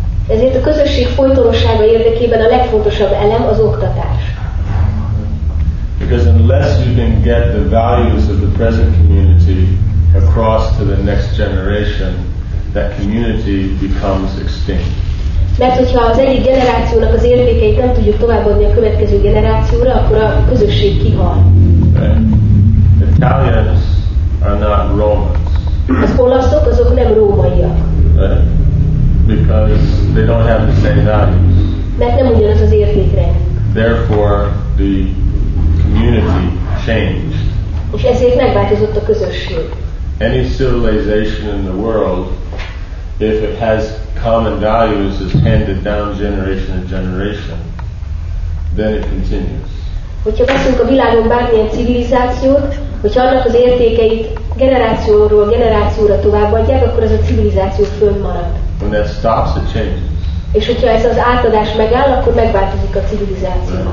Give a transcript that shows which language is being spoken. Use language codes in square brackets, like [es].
[hu] Ezért a közösség folytonossága érdekében a legfontosabb elem az oktatás. [en] Because unless you can get the values of the present community across to the next generation, that community becomes extinct. [hu] Mert hogyha az egyik generációnak az értékeit nem tudjuk továbbadni a következő generációra, akkor a közösség kihal. [en] Right. Italians are not Romans. [hu] Az olaszok azok nem rómaiak. [en] Right. Because they don't have the same values. [hu] Mert nem ugyanaz az értékrend. [en] Therefore the community changed. [hu] És ezért megváltozott a közösség. [en] Any civilization in the world, if it has common values is handed down generation to generation, then it continues. [hu] Hogyha veszünk a világon bármilyen civilizációt, hogyha annak az értékeit generációról generációra továbbadják, akkor ez a civilizáció fönnmarad. [en] When that stops, it changes. [hu] És hogyha ez az átadás megáll, akkor megváltozik a civilizáció.